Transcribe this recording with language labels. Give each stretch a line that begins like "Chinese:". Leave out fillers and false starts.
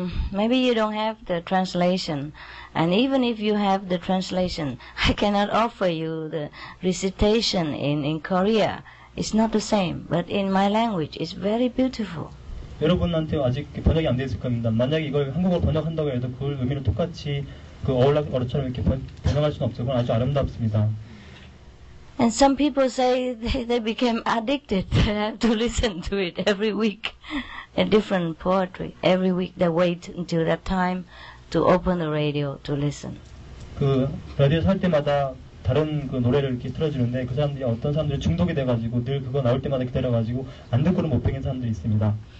English: Maybe you don't have the translation, and even if you have the translation, I cannot offer you the recitation in Korea. It's not the same, but in my language, it's very beautiful.
Korean: 여러분한테 아직 번역이 안 됐을 겁니다. 만약에 이걸 한국어로 번역한다고 해도 그 의미는 똑같이 그 어울락어처럼 이렇게 번역할 수는 없어요. 그건 아주 아름답습니다.
English: And some people say they became addicted. They have to listen to it every week. A different poetry. Every week they wait until that time to open the radio to listen.
Korean: 그 라디오 살 때마다 다른 그 노래를 이렇게 틀어주는데 그 사람들이 어떤 사람들이 중독이 돼가지고 늘 그거 나올 때마다 기다려가지고 안 듣고는 못 펴는 사람들이 있습니다.